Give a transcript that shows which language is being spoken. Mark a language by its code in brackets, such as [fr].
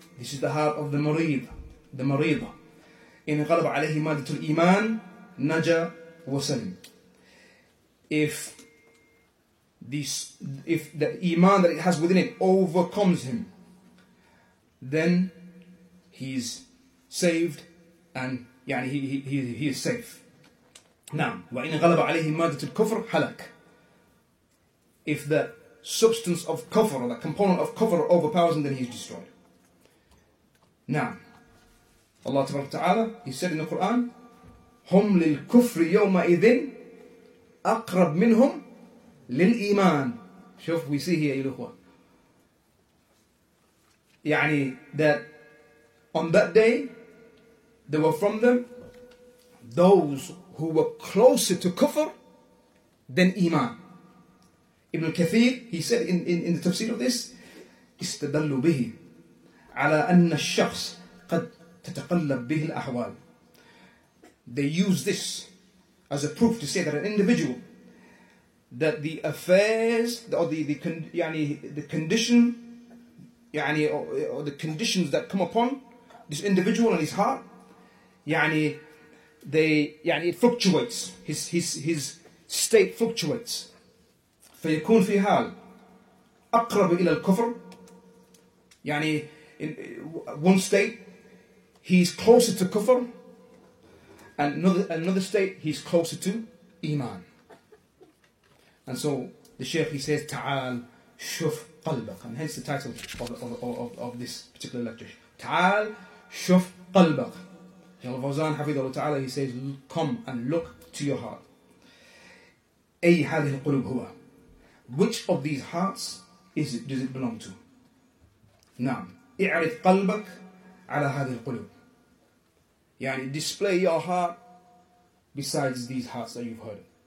[en] This is the heart of the marid. [ar] In qalb alayhi madatul iman, naja wa salim. [en] If the iman that it has within it overcomes him, then he's saved, and يعني he is safe. [ar] نعم وإن غلب عليه مادة الكفر حلك. [en] If the substance of kufr, the component of kufr, overpowers him, then he is destroyed. [ar] نعم الله تبارك وتعالى [en] he said in the Quran, [ar] هم للكفر يومئذ أقرب منهم للإيمان. [en] شوف we see here الأخوة. يعني that on that day they were from them those who were closer to kufr than iman. Ibn al-Kathir, he said in the tafsir of this, [ar] استدلوا به على أن الشخص قد تتقلب به الأحوال. [en] They use this as a proof to say that an individual, that the affairs or the conditions that come upon this individual and his heart, it fluctuates. His state fluctuates. [ar] فيكون في حال أقرب إلى الكفر. [en] يعني in one state he's closer to kufr, and another state he's closer to iman. And so the Shaykh he says [ar] تعال شوف قلبك, [en] and hence the title of this particular lecture. [ar] تعال شوف قلبك. الفوزان حفظه الله تعالى, [en] he says, come and look to your heart. [ar] أي هذه القلوب هو, [en] which of these hearts is it, does it belong to? [ar] نعم اعرف قلبك على هذه القلوب. [en] يعني display your heart besides these hearts that you've heard.